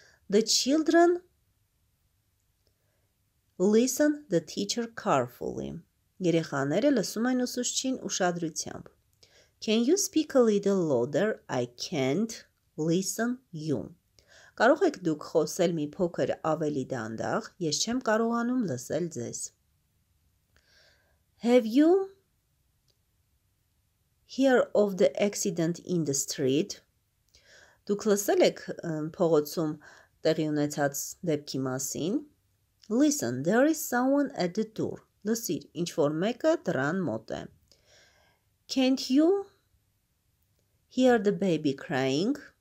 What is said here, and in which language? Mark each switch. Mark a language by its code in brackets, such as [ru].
[en] The children listen the teacher carefully. [hy] Երեխաները լսում են ուսուցչին ուշադրությամբ. [en] Can you speak a little louder? I can't listen you. [hy] Կարող եք դուք խոսել մի փոքր ավելի դանդաղ, ես չեմ կարողանում լսել ձեզ։ [en] Have you heard of the accident in the street? [hy] Դուք լսել եք փողոցում տեղի ունեցած դեպքի մասին? [en] Listen, there is someone at the door. [hy] Լսիր, ինչ որ մեկը դրան մոտ է. [en] Can't you hear the baby crying?